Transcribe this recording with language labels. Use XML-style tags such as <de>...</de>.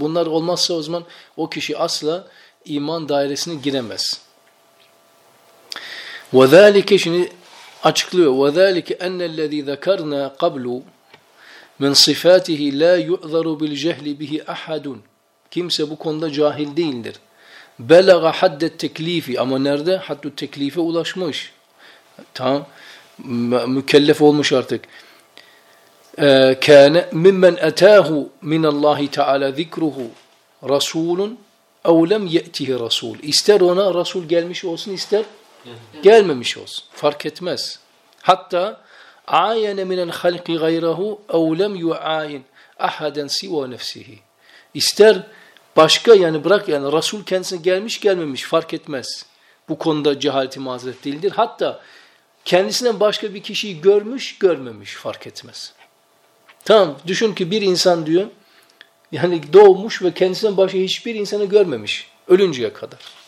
<tr>Bunlar olmazsa o zaman o kişi asla iman dairesine giremez. وَذَٰلِكَ şimdi açıklıyor.</tr> <ar>وَذَٰلِكَ اَنَّ الَّذ۪ي ذَكَرْنَا قَبْلُ مِنْ صِفَاتِهِ لَا يُعْذَرُ بِالْجَهْلِ بِهِ اَحَدٌ.</ar> <tr>Kimse bu konuda cahil değildir.</tr> <ar>بَلَغَ حَدَّ التَّكْلِيفِ.</ar> <tr>Ama nerede?</tr> <ar>حَدُّ التَّكْلِيفِ</ar> <tr>ulaşmış. Tamam. Mükellef olmuş artık.</tr> <ar>كان ممن أتاه من الله تعالى ذكره رسول أو لم يأته رسول.</ar> <tr>İster ona Resul gelmiş olsun, ister gelmemiş olsun, fark etmez.</tr> <ar>حتى عاين من الخلق غيره أو لم يعاين أحدا سوى نفسه.</ar> <tr>İster başka, yani bırak, yani Resul kendisine gelmiş gelmemiş fark etmez. Bu konuda cehaleti mazeret değildir. Hatta kendisinden başka bir kişiyi görmüş görmemiş fark etmez. Tamam, düşün ki bir insan diyor, yani doğmuş ve kendisinden başka hiçbir insanı görmemiş ölünceye kadar.</tr>